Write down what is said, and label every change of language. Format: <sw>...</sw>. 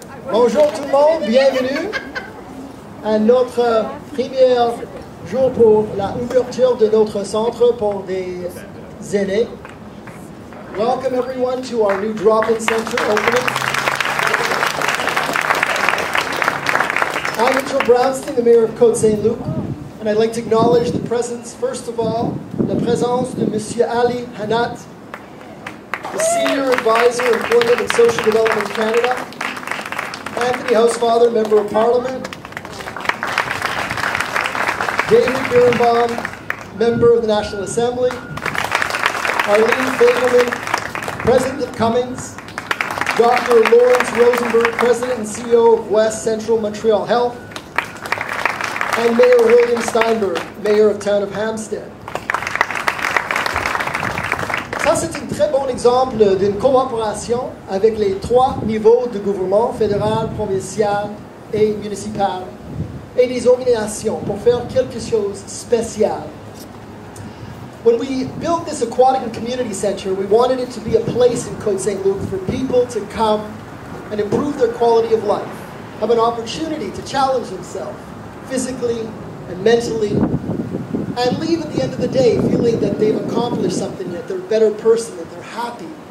<fr>Bonjour tout le monde, bienvenue à notre premier jour pour la ouverture de notre centre pour des aînés.</fr> <en>Welcome everyone to our new drop-in center opening. I'm Mitchell Brownstein, the mayor of Côte Saint Luc. And I'd like to acknowledge the presence, first of all, the presence of Monsieur Ali Hanat, the Senior Advisor, Employment and Social Development Canada, Anthony Housefather, Member of Parliament, David Birnbaum, Member of the National Assembly, Arlene Fagelman, President of Cummings, Dr. Lawrence Rosenberg, President and CEO of West Central Montreal Health, and Mayor William Steinberg, Mayor of Town of Hampstead.</en> <fr>Ça, c'est un très bon exemple d'une coopération avec les trois niveaux de gouvernement, fédéral, provincial et municipal, et les organisations pour faire quelque chose de spécial.</fr> <en>When we built this aquatic and community center, we wanted it to be a place in Côte Saint Luc for people to come and improve their quality of life, have an opportunity to challenge themselves physically and mentally, and leave at the end of the day feeling that they've accomplished something, that they're a better person, that they're happy.</en>